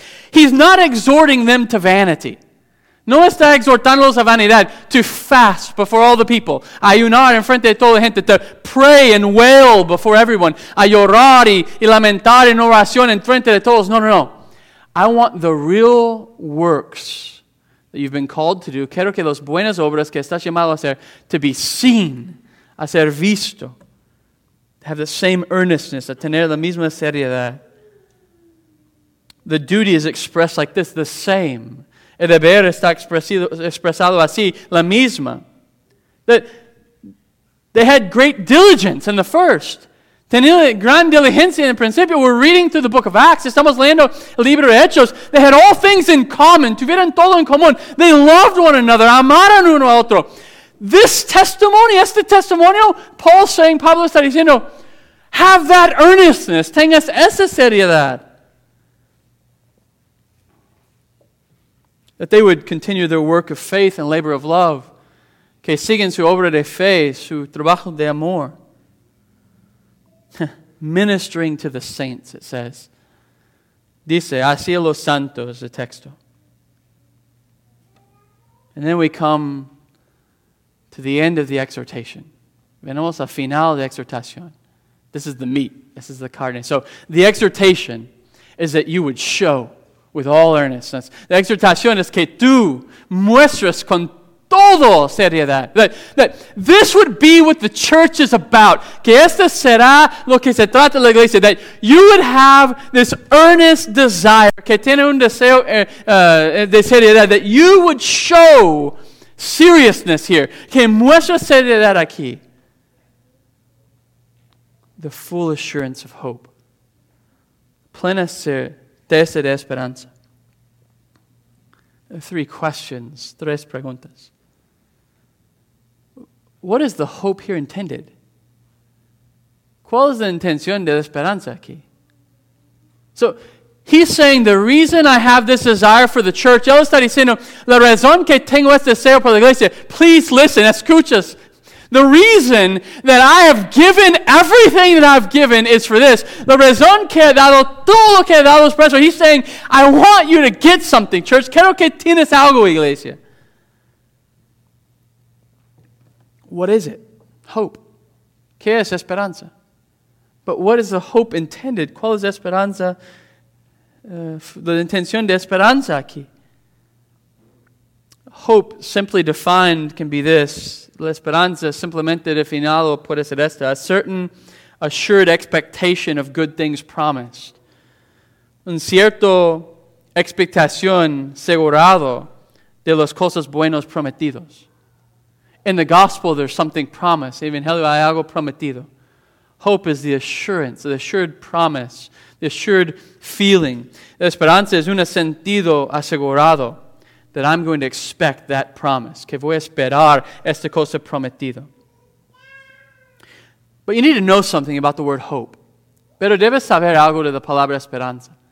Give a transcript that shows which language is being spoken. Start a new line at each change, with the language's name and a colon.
English: He's not exhorting them to vanity.
Spanish: No está exhortándolos a vanidad.
English: To fast before all the people.
Spanish: Ayunar en frente de toda la gente.
English: To pray and wail before everyone.
Spanish: A llorar y lamentar en oración en frente de todos.
English: No. I want the real works that you've been called to do.
Spanish: Quiero que los buenas obras que estás llamado a hacer
English: to be seen.
Spanish: A ser visto.
English: Have the same earnestness,
Spanish: a tener la misma seriedad.
English: The duty is expressed like this, the same.
Spanish: El deber está expresado así, la misma.
English: That they had great diligence in the first
Spanish: tenían gran diligencia en el principio.
English: We're reading through the book of Acts.
Spanish: Estamos leyendo el libro de Hechos.
English: They had all things in common.
Spanish: Tuvieron todo en común.
English: They loved one another.
Spanish: Amaron uno a otro.
English: This testimony,
Spanish: este testimonio,
English: Paul saying,
Spanish: Pablo está diciendo,
English: have that earnestness.
Spanish: Tengas esa seriedad.
English: That they would continue their work of faith and labor of love.
Spanish: Que siguen su obra de fe, su trabajo de amor.
English: Ministering to the saints, it says.
Spanish: Dice, así los santos, the texto.
English: And then we come to the end of the exhortation.
Spanish: Venimos al final de exhortación.
English: This is the meat. This is the carne. So the exhortation is that you would show with all earnestness.
Spanish: The exhortación es que tú muestres con todo seriedad.
English: That this would be what the church is about.
Spanish: Que esta será lo que se trata la iglesia.
English: That you would have this earnest desire.
Spanish: Que tiene un deseo de seriedad.
English: That you would show seriousness here.
Spanish: Que muestra seriedad aquí.
English: The full assurance of hope.
Spanish: Plena certeza de esperanza.
English: Three questions.
Spanish: Tres preguntas.
English: What is the hope here intended?
Spanish: ¿Cuál es la intención de la esperanza aquí?
English: So, he's saying the reason I have this desire for the church,
Spanish: él está diciendo, la razón que tengo este deseo por la iglesia,
English: please listen, escuchas. The reason that I have given everything that I've given is for this.
Spanish: La razón que he dado todo lo que he dado es por eso.
English: He's saying, I want you to get something, church.
Spanish: Quiero que tienes algo, iglesia.
English: What is it? Hope.
Spanish: ¿Qué es esperanza?
English: But what is the hope intended?
Spanish: ¿Cuál es esperanza? La intención de esperanza aquí.
English: Hope, simply defined, can be this.
Spanish: La esperanza, simplemente definido, puede ser esta.
English: A certain assured expectation of good things promised.
Spanish: Un cierto expectación asegurado de las cosas buenas prometidas.
English: In the gospel, there's something promised.
Spanish: Evangelio, hay algo prometido.
English: Hope is the assurance, the assured promise, the assured feeling.
Spanish: La esperanza es un sentido asegurado
English: that I'm going to expect that promise.
Spanish: Que voy a esperar esta cosa prometida.
English: But you need to know something about the word hope.
Spanish: Pero debes saber algo de la palabra esperanza.